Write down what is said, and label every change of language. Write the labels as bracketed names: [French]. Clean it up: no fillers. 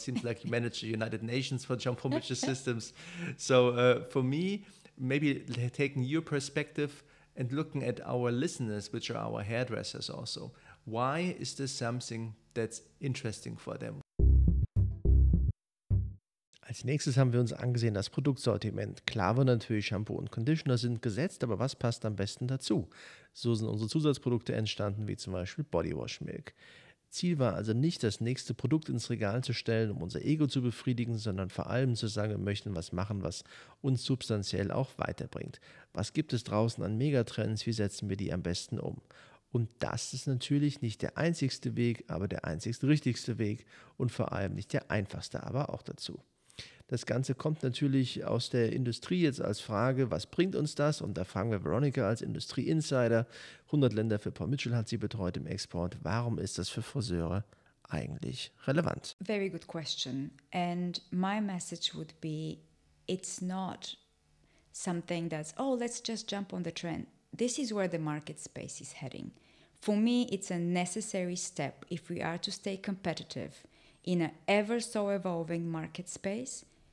[English] Seems like you manage the United Nations for John Paul Mitchell Systems. So for me, maybe taking your perspective and looking at our listeners, which are our hairdressers also, why is this something that's interesting for them? [German] Als nächstes haben wir uns angesehen das Produktsortiment. Klar war natürlich, Shampoo und Conditioner sind gesetzt, aber was passt am besten dazu? So sind unsere Zusatzprodukte entstanden, wie zum Beispiel Bodywash Milk. Ziel war also nicht, das nächste Produkt ins Regal zu stellen, um unser Ego zu befriedigen, sondern vor allem zu sagen, wir möchten was machen, was uns substanziell auch weiterbringt. Was gibt es draußen an Megatrends? Wie setzen wir die am besten um? Und das ist natürlich nicht der einzigste Weg, aber der einzigste richtigste Weg und vor allem nicht der einfachste, aber auch dazu. Das Ganze kommt natürlich aus der Industrie jetzt als Frage, was bringt uns das? Und da fragen wir Veronica als Industrie-Insider, 100 Länder für Paul Mitchell hat sie betreut im Export. Warum ist das für Friseure eigentlich relevant? [English] Very good question. And my message would be, it's not something that's, oh, let's just jump on the trend. This is where the market space is heading. For me, it's a necessary step if we are to stay competitive in an ever so evolving market space.